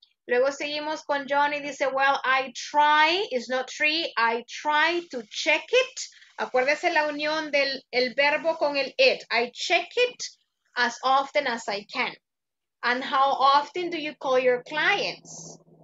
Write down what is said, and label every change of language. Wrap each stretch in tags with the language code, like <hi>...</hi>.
<es>Luego seguimos con Johnny, dice,</es> <en>well, I try, it's not three, I try to check it.</en> <es>Acuérdese la unión del el verbo con el it.</es> <en>I check it as often as I can. And how often do you call your clients?</en>